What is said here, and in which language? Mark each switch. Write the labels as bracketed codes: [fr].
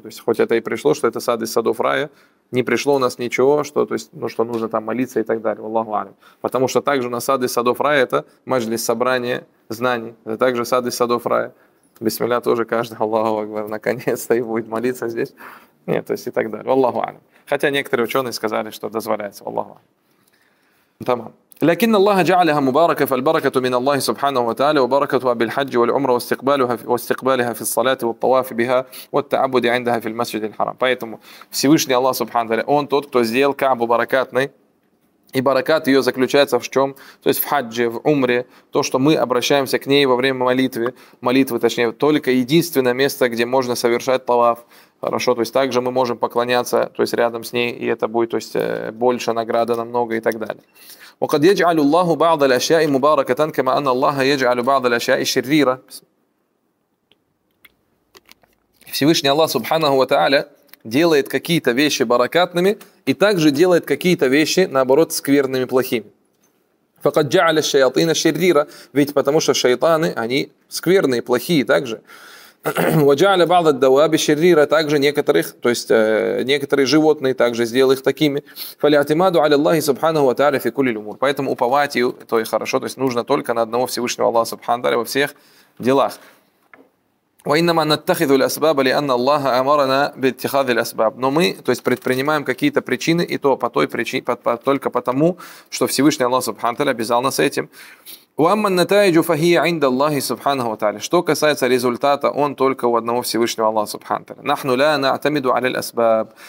[ru] То есть хоть это и пришло, что это сад из садов рая, не пришло у нас ничего, что, то есть, ну, что нужно там молиться и так далее. Аллаху алям. Потому что также у нас сад из садов рая – это маджлис, собрание знаний. Это также сад из садов рая. Бисмилля тоже каждый, Аллаху акбар, наконец-то и будет молиться здесь. Нет, то есть и так далее. Аллаху алям. Хотя некоторые ученые сказали, что дозволяется. Аллаху алям. Тамам. [ar] لكن الله جعلها مباركة فالبركة من الله سبحانه وتعالى وبركتها بالحج والعمرة واستقبالها في الصلاة والطواف بها والتعبد عندها في المسجد الحرام. [ru] Поэтому Всевышний Аллах Субхану Тааля, Он тот, кто сделал Каабу баракатной, и баракат ее заключается в чем? То есть в хаджи, в умре, то, что мы обращаемся к ней во время молитвы, точнее, только единственное место, где можно совершать таваф. Хорошо, то есть также мы можем поклоняться, то есть рядом с ней, и это будет, то есть больше награда намного и так далее. [ar] وقد يجعل الله بعض الأشياء مباركة كما أن الله يجعل بعض الأشياء شريرة. [ru] Всевышний Аллах Субханаху ва Тааля делает какие-то вещи баракатными и также делает какие-то вещи наоборот скверными, плохими. [ar] فقد جعل الشياطين شريرة, [ru] ведь потому что шайтаны, они скверные, плохие также. [ar] وجعل بعض الدواب شريرة, [ru] также некоторых, то есть некоторые животные также сделал их такими. [ar] فالاعتماد على الله سبحانه وتعالى في كل الأمور. [ru] Поэтому уповать ее, то и хорошо, то есть нужно только на одного Всевышнего Аллаха Субхану Тааля во всех делах. [ar] وإنما نتخذ الأسباب لأن الله أمرنا باتخاذ الأسباب. [ru] Но мы, то есть предпринимаем какие-то причины, и то по той причине, только потому, что Всевышний Аллах Субхану Тааля обязал нас этим. [ar] وَأَمَّا النَّتَائِجُ فَهِيَ عِنْدَ اللَّهِ سُبْحَانَهُ وَتَعَالَى. [ru] Что касается результата, он только у одного Всевышнего Аллаха Субхану Тааля. [ar] نَحْنُ لَا نَعْتَمِدُ عَلَى الْأَسْبَابِ.